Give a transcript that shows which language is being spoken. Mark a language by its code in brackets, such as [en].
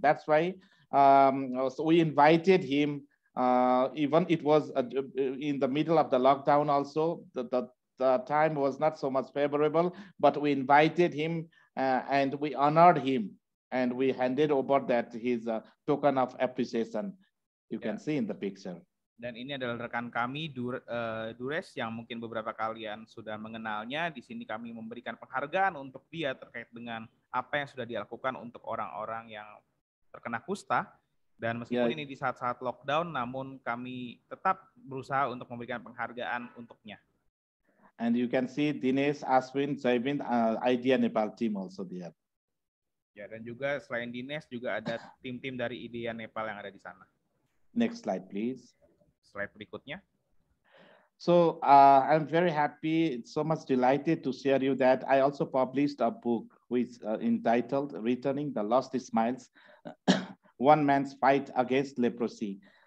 [en] That's why so we invited him. Even it was in the middle of the lockdown also, the time was not so much favorable, but we invited him and we honored him and we handed over that his token of appreciation. You can see in the picture. [id] Dan ini adalah rekan kami Dures yang mungkin beberapa kalian sudah mengenalnya. Di sini kami memberikan penghargaan untuk dia terkait dengan apa yang sudah dilakukan untuk orang-orang yang terkena kusta. Dan meskipun ini di saat-saat lockdown, namun kami tetap berusaha untuk memberikan penghargaan untuknya. [en] And you can see Dinesh, Aswin, Jaibin, IDEA Nepal team also there. [id] Ya, dan juga selain Dinesh juga ada tim-tim dari IDEA Nepal yang ada di sana. [en] Next slide, please. [id] Slide berikutnya. [en] So I'm very happy, so much delighted to share you that I also published a book which entitled "Returning the Lost Smiles: One Man's Fight Against Leprosy."